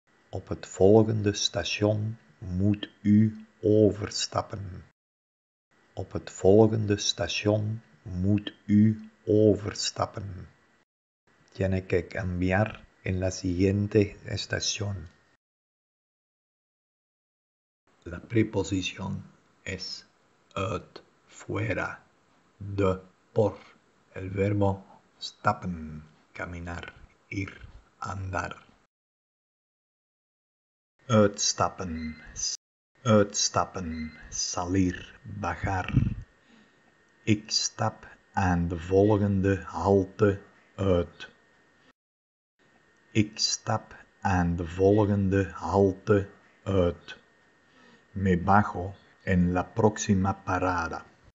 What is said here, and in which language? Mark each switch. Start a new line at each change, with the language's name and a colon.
Dutch: Op het volgende station moet u overstappen. Op het volgende station moet u overstappen.
Spanish: Tiene que cambiar en la siguiente estación. La preposición es uit, fuera, de, por. El verbo stappen, caminar, ir, andar.
Dutch: Uitstappen, uitstappen,
Spanish: salir, bajar.
Dutch: Ik stap aan de volgende halte uit. Ik stap aan de volgende halte uit.
Spanish: Me bajo en la próxima parada.